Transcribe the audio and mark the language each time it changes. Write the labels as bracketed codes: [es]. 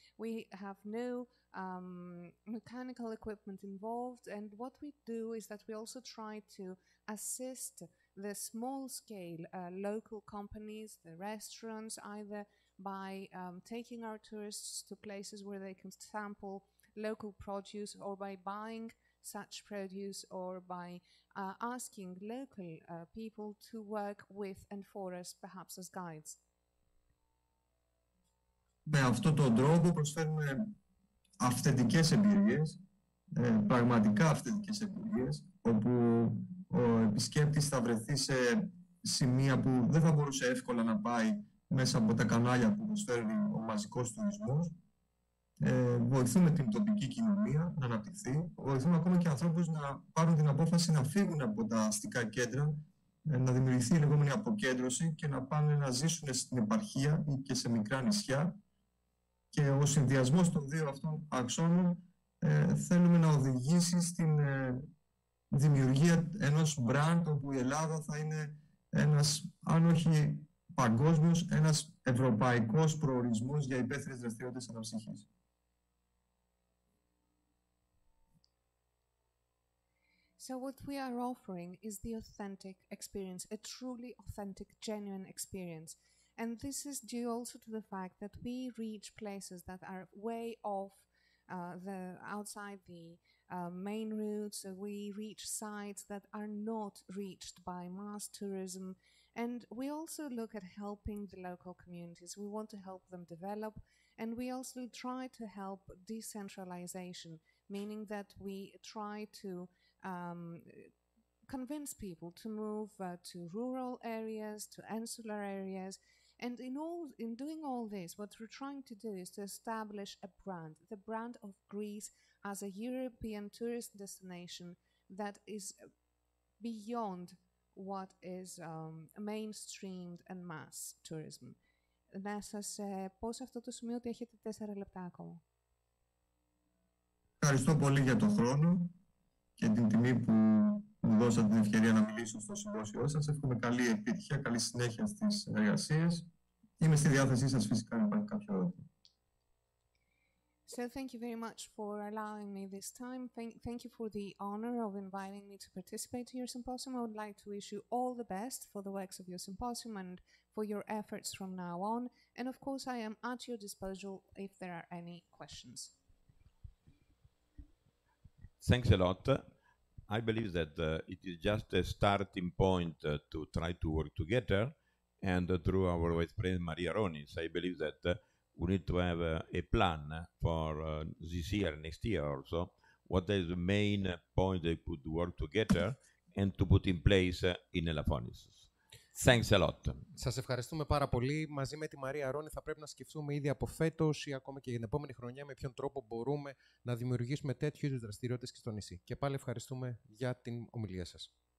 [en] We have no mechanical equipment involved, and what we do is that we also try to assist the small-scale local companies, the restaurants, either by taking our tourists to places where they can sample local produce, or by buying such produce, or by asking local people to work with and for us, perhaps as guides. [el] Με αυτόν τον τρόπο προσφέρουμε αυθεντικές εμπειρίες, πραγματικά αυθεντικές εμπειρίες, όπου ο επισκέπτης θα βρεθεί σε σημεία που δεν θα μπορούσε εύκολα να πάει μέσα από τα κανάλια που προσφέρει ο μαζικός τουρισμός. Βοηθούμε την τοπική κοινωνία να αναπτυχθεί. Βοηθούμε ακόμα και ανθρώπους να πάρουν την απόφαση να φύγουν από τα αστικά κέντρα, να δημιουργηθεί η λεγόμενη αποκέντρωση και να πάνε να ζήσουν στην επαρχία ή και σε μικρά νησιά. Και ο συνδυασμός των δύο αυτών αξώνων θέλουμε να οδηγήσει στην δημιουργία ενός μπραντ όπου η Ελλάδα θα είναι ένας, αν όχι παγκόσμιος, ένας ευρωπαϊκός προορισμός για υπαίθριες δραστηριότητες αναψυχής. [en] So what we are offering is the authentic experience, a truly authentic, genuine experience. And this is due also to the fact that we reach places that are way off the outside the main routes. So we reach sites that are not reached by mass tourism. And we also look at helping the local communities. We want to help them develop. And we also try to help decentralization, meaning that we try to convince people to move to rural areas, to insular areas. And in doing all this, what we're trying to do is to establish a brand, the brand of Greece as a European tourist destination that is beyond what is mainstreamed and mass tourism. [el] Να σας πω σε αυτό το σημείο ότι έχετε 4 λεπτά ακόμα. Ευχαριστώ πολύ για τον χρόνο και την τιμή που μου δώσατε την ευκαιρία να μιλήσω στο συμπόσιο σας. Εύχομαι καλή επιτυχία, καλή συνέχεια στις εργασίες. Είμαι στη διάθεσή σας φυσικά, αν υπάρχει κάποιο ερώτημα. [en] So thank you very much for allowing me this time. Thank you for the honor of inviting me to participate in your symposium. I would like to wish you all the best for the works of your symposium and for your efforts from now on. And of course, I am at your disposal if there are any questions. Thanks a lot. I believe that it is just a starting point to try to work together. And through our Vice President Maria Ronis, I believe that we need to have a plan for this year, next year also, what is the main point they could work together and to put in place in Elafonisos. Thanks a lot. [el] Σας ευχαριστούμε πάρα πολύ. Μαζί με τη Μαρία Ρόνη θα πρέπει να σκεφτούμε ήδη από φέτος ή ακόμα και για την επόμενη χρονιά με ποιον τρόπο μπορούμε να δημιουργήσουμε τέτοιου είδους δραστηριότητες και στο νησί. Και πάλι ευχαριστούμε για την ομιλία σας.